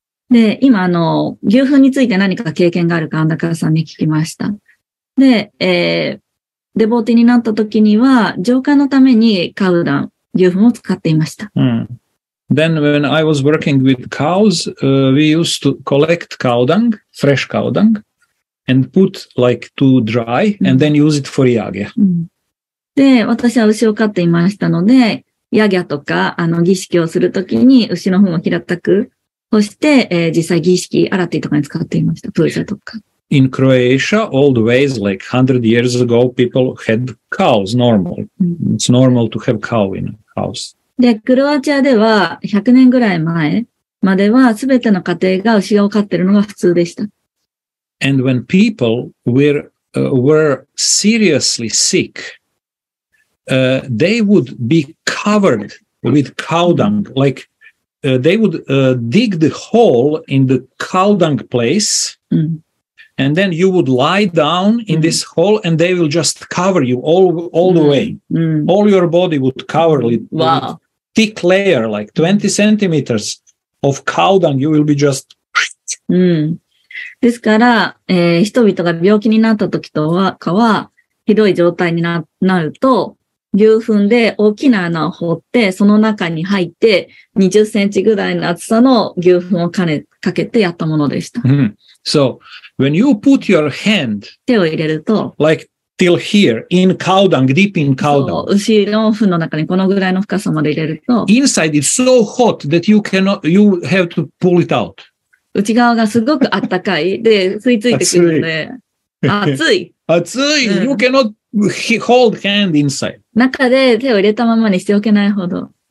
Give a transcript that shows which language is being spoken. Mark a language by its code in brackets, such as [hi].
[ja] で、今、牛糞について何か経験があるか、アンダカラさんに聞きました。で、デボーティになった時には、浄化のためにカウダン、牛糞を使っていました。 [en] Then when I was working with cows, we used to collect cow dung, fresh cow dung, and put like to dry, and then use it for yagya. [ja] で、私は牛を飼っていましたので、ヤギャとか、儀式をするときに、牛の糞を平たく、そして、実際儀式、アラティとかに使っていました。プージャとか。 [en] In Croatia, old ways, like 100 years ago, people had cows, normal. It's normal to have cow in a house. [ja] で、クロアチアでは、100年ぐらい前までは、すべての家庭が牛を飼ってるのが普通でした。 [en] And when people were seriously sick,they would be covered with cow dung, like, they would, dig the hole in the cow dung place, and then you would lie down in this hole, and they will just cover you all the way. All your body would cover it. Wow. Thick layer, like 20 centimeters of cow dung, you will be just. [ja] ですから、人々が病気になった時とは、かは、ひどい状態になると、牛糞で大きな穴を掘って、その中に入って、20センチぐらいの厚さの牛糞をかけてやったものでした。 [en] So, when you put your hand, [ja] 手を入れると、 [en] like till here, in cow dung, deep in cow dung. [ja] 牛の糞の中にこのぐらいの深さまで入れると、 [en] inside is so hot that you have to pull it out. [ja] 内側がすごく暖かい。で、吸い付いてくるので、熱い [en] 、you cannot hold hand inside. [ja] 中で手を入れたままにしておけないほど。